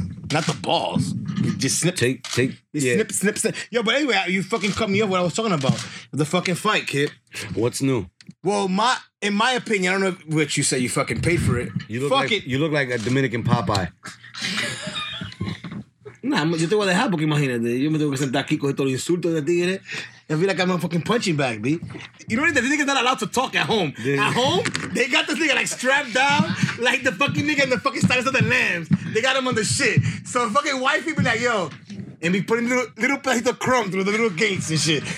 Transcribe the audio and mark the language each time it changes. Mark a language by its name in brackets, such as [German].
[English] Not the balls. Just snip. Take. Yeah. Snip. Yo, but anyway, you fucking cut me off what I was talking about. The fucking fight, kid. What's new? Well, in my opinion, I don't know what you say, you fucking paid for it. You look fuck like, it. You look like a Dominican Popeye. [Spanish] Nah, yo te voy a dejar porque imagínate. Yo me tengo que sentar aquí, coger todos los insultos de tigre. [English] I feel like I'm a fucking punching bag, B. You know what I mean? The nigga's not allowed to talk at home. Dude. At home, they got this nigga like strapped down like the fucking nigga in the fucking status of the lambs. They got him on the shit. So fucking white people like, yo, and be putting little pedacito crumb through the little gates and shit.